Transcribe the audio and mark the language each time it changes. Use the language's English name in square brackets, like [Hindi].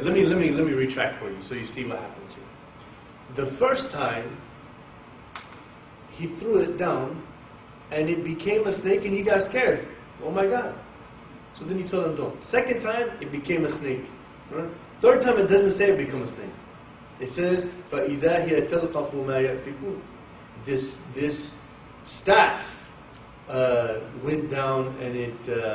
[English] Let me retract for you, so you see what happens here. The first time, he threw it down, and it became a snake, and he got scared. Oh my God. So then you told him don't. Second time, it became a snake. Right? Third time, it doesn't say it became a snake. It says, [Arabic] فَإِذَا هِيَ تَلْقَفُ مَا يَأْفِكُونَ. [English] This staff went down and it...